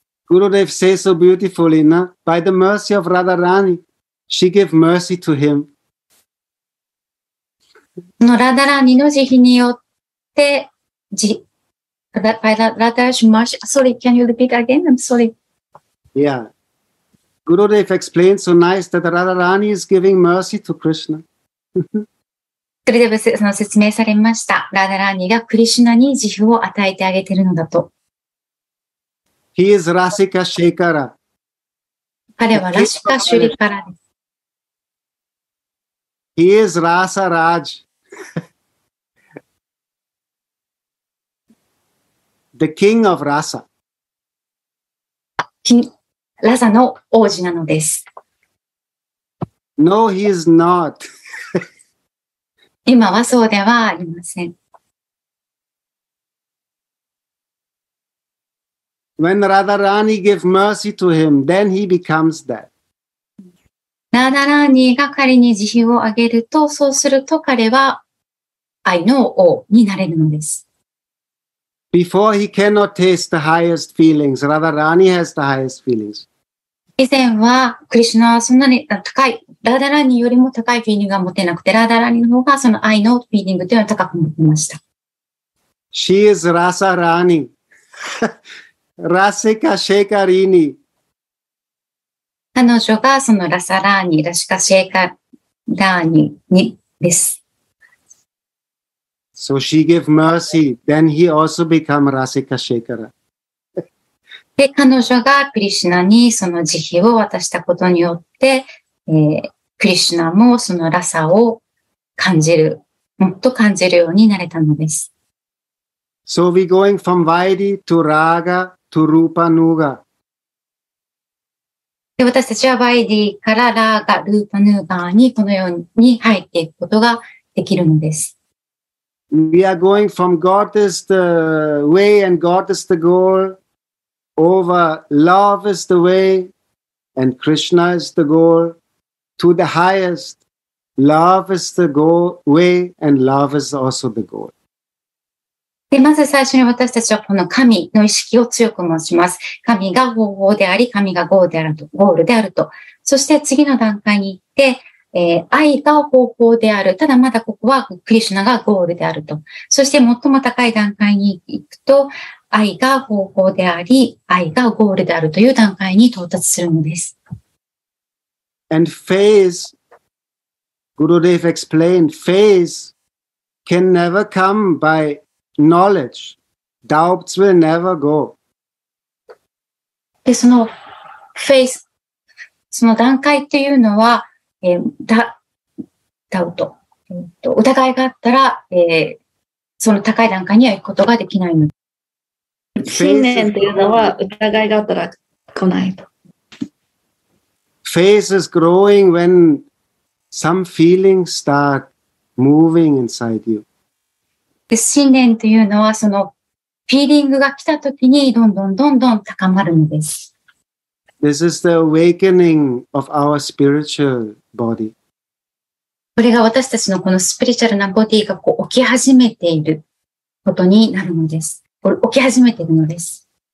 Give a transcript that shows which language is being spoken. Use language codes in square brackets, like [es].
[en] Gurudev says so beautifully, na? By the mercy of Radharani, she gave mercy to him. [ja] のラダラーニの慈悲によって、 [en] Gurudev explains so nice that Radharani is giving mercy to Krishna. [ja] それでその説明されました。ラダラーニがクリシュナに慈悲を与えてあげているのだと。 [en] He is Rasika Shekara. [ja] 彼はラシカシュリカラです。 [en] He is Rasa Raj. The king of Rasa. [ja] Rasa の王子なのです。 [en] No, he is not. [ja] 今はそうではありません。 [en] When Radharani gave mercy to him, then he becomes that. [ja] ラダラーニが彼に慈悲をあげると、そうすると彼は愛の王になれるのです。 [en] Before he cannot taste the highest feelings, Radharani has the highest feelings. [ja] 以前はクリシナはそんなに高い、ラダラーニよりも高いフィーリングが持てなくて、ラダラーニの方がその愛のフィーリングというのは高く持っていました。 [en] She is Rasa Rani. Rasika Shekarini. [ja] 彼女がそのラサラーニ、ラシカシェイカラーニにです。 [en] So she gave mercy, then he also became Rasika Shekara. [ja] で、彼女がクリシナにその慈悲を渡したことによって、クリシナもそのラサを感じる、もっと感じるようになれたのです。 [en] So we're going from Vaidhi to Raga to Rupa Nuga. [ja] で私たちはバイディからラーガ、ルーパヌーガーにこのように入っていくことができるのです。 [en] We are going from God is the way and God is the goal over love is the way and Krishna is the goal to the highest. Love is the goal, way and love is also the goal. [ja] でまず最初に私たちはこの神の意識を強く申します。神が方法であり、神がゴールであると、ゴールであると。そして次の段階に行って、愛が方法である。ただまだここはクリシュナがゴールであると。そして最も高い段階に行くと、愛が方法であり、愛がゴールであるという段階に到達するのです。 [en] And phase, Gurudev explained, phase can never come byKnowledge. Doubts will never go. [ja] で、そのフェイス、その段階っていうのは、ダウト。疑いがあったら、その高い段階には行くことができないの。信念っていうのは、疑いがあったら来ないと。 [en] フェイス is growing when some feelings start moving inside you. [ja] で信念というのはそのフィーリングが来たときにどんどんどんどん高まるのです。 This is the awakening of our spiritual body. これが私たちのこのスピリチュアルなボディがこう起き始めていることになるのです。起き始めているのです。